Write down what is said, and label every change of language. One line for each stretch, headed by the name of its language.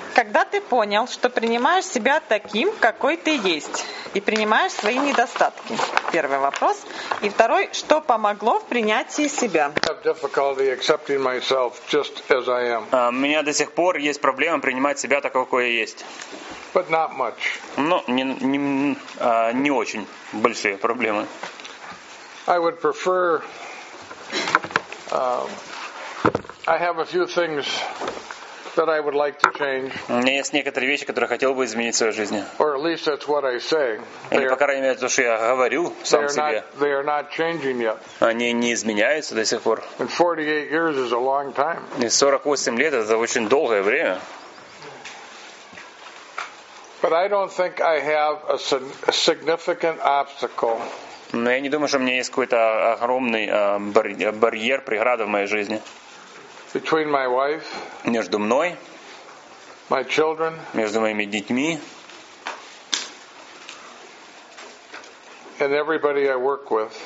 Russian: Когда ты понял, что принимаешь себя таким, какой ты есть, и принимаешь свои недостатки? Первый вопрос. И второй, что помогло в принятии себя?
English: I have difficulty accepting myself just as I am.
Russian: У меня до сих пор есть проблема принимать себя такого, какой я есть.
English: But not much.
Russian: Но не очень большие проблемы.
English: I would prefer, I have a few things that I would like to change.
Russian: У меня есть некоторые вещи, которые хотел бы изменить в своей жизни.
English: Or at least that's what I say.
Russian: Или, по крайней мере, то, что я говорю сам себе.
English: They are not changing yet.
Russian: Они не изменяются до сих пор.
English: And 48 years is a long time.
Russian: И 48 лет — это очень долгое время.
English: But I don't think I have a significant obstacle.
Russian: Но я не думаю, что у меня есть какой-то огромный барьер, преграда в моей жизни.
English: Between my wife,
Russian: между мной,
English: my children,
Russian: между моими детьми,
English: and everybody I work with,